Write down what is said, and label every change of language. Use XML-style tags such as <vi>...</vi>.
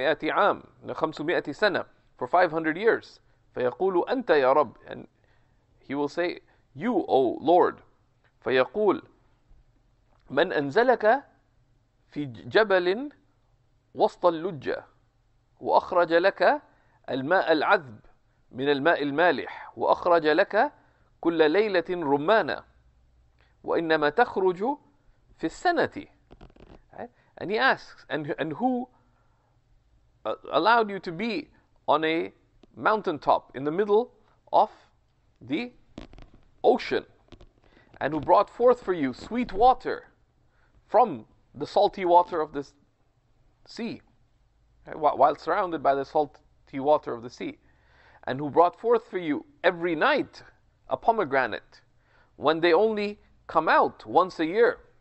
<ar>500 سنة,</ar> <en>for 500 years.</en> <ar>فيقول أنت يا رب.</ar> <en>And he will say, You, O Lord.</en> <ar>فيقول من أنزلك في جبل وسط اللجة وأخرج لك الماء العذب من الماء المالح وأخرج لك كل ليلة رمانة وإنما تخرج في السنة.</ar> <en>And he asks, and who allowed you to be on a mountaintop in the middle of the ocean, and who brought forth for you sweet water from the salty water of the sea, while surrounded by the salty water of the sea, and who brought forth for you every night a pomegranate when they only come out once a year.</en>